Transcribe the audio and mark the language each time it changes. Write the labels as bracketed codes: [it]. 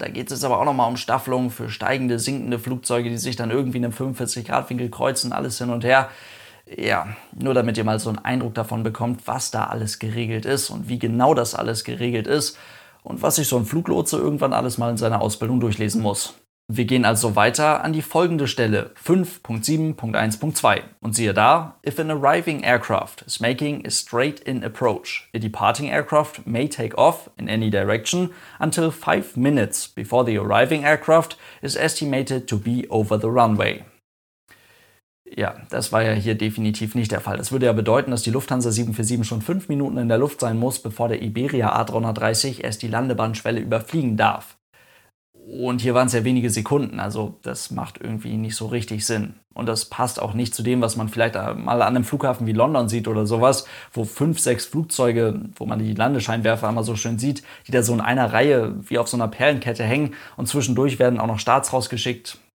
[de] Da geht es aber auch nochmal um Staffelung für steigende, sinkende Flugzeuge, die sich dann irgendwie in einem 45-Grad-Winkel kreuzen, alles hin und her. Ja, nur damit ihr mal so einen Eindruck davon bekommt, was da alles geregelt ist und wie genau das alles geregelt ist und was sich so ein Fluglotse irgendwann alles mal in seiner Ausbildung durchlesen muss. Wir gehen also weiter an die folgende Stelle, 5.7.1.2. Und siehe da, [en] if an arriving aircraft is making a straight-in approach, a departing aircraft may take off in any direction until 5 minutes before the arriving aircraft is estimated to be over the runway. [de] Ja, das war ja hier definitiv nicht der Fall. Das würde ja bedeuten, dass die Lufthansa 747 schon 5 Minuten in der Luft sein muss, bevor der Iberia A330 erst die Landebahnschwelle überfliegen darf. Und hier waren es ja wenige Sekunden, also das macht irgendwie nicht so richtig Sinn. Und das passt auch nicht zu dem, was man vielleicht mal an einem Flughafen wie London sieht oder sowas, wo 5, 6 Flugzeuge, wo man die Landescheinwerfer immer so schön sieht, die da so in einer Reihe wie auf so einer Perlenkette hängen und zwischendurch werden auch noch Starts rausgeschickt.